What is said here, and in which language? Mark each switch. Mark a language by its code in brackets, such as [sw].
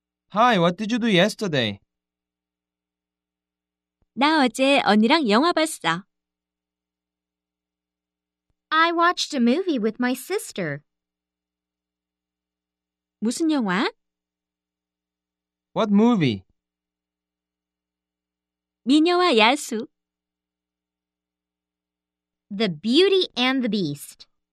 [en] Hi, what did you do yesterday? [ko] 나 어제 언니랑 영화 봤어. [en] I watched a movie with my sister. [ko] 무슨 영화? [en] What movie? [ko] 미녀와 야수. [en] The Beauty and the Beast.